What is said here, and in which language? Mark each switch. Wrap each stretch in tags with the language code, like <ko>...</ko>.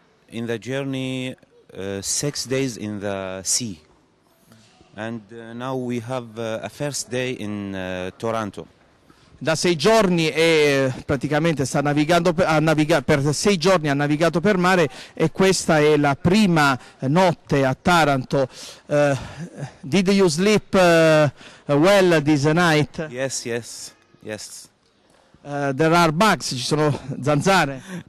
<en>In the journey, 6 days in the sea. And now we have a first day in Toronto.</en> <it>Da 6 giorni e praticamente sta navigando per 6 giorni ha navigato per mare e questa è la prima notte a Taranto.</it> <en>Did you sleep well this night? Yes, yes, yes. There are bugs,</en> <it>ci sono zanzare.</it>